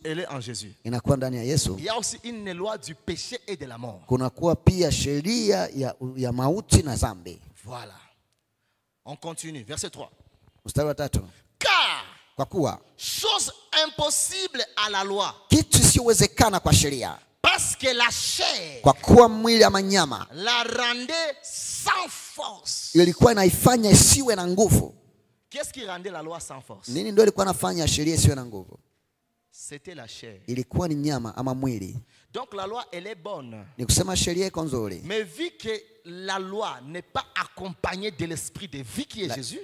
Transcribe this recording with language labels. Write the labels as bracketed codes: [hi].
[fr] elle est en Jésus [sw] inakuwa ndani ya Yesu. [fr] Il y a aussi une loi du péché et de la mort [sw] kuna kuwa pia sheria ya mauti na dhambi. [fr] Voilà, on continue verset 3. [sw] Mstari wa 3. [fr] Car [sw] kwa kuwa [fr] chose impossible à la loi [sw] kitu siwezekana kwa sheria [fr] parce que la chair [sw] kwa kuwa mwili ama nyama [fr] la rendait sans force [sw] ilikuwa inaifanya isiwe na nguvu. [fr] Qu'est-ce qui rendait la loi sans force? [sw] Nini ndio ilikuwa inafanya sheria isiwe na nguvu? [fr] C'était la chair. [sw] Ilikuwa ni nyama ama mwili. [fr] Donc la loi, elle est bonne. [sw] Ni kusema sheria iko nzuri. [fr] Mais vu que la loi n'est pas accompagnée de l'esprit de vie qui est Jésus.